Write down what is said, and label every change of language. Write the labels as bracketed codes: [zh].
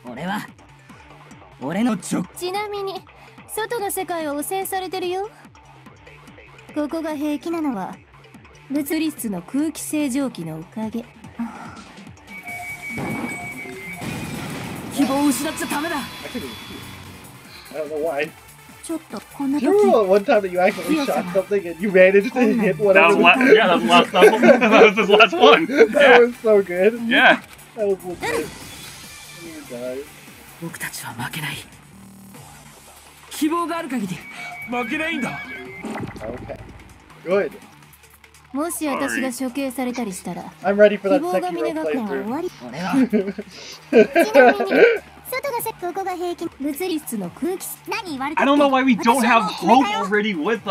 [ja] 俺は俺のちょ。ちなみに外の世界は汚染されてるよ。ここが平気なのは物理室の空気清浄機のおかげ。希望を失っちゃダメだ。 [en] You're the one time that you actually shot something and you managed to hit whatever. That was the last one. That yeah. was so good. Yeah. That was so good. You guys. [ja] 僕たちは負けない。希望がある限り負けないんだ。 [en] Okay. Good. [ja] もし私が処刑されたりしたら、 [en] I'm ready for that second playthrough. [ja] 希望が峰学園は終わり。俺は。 [en] I don't know why we don't have Hope already with us.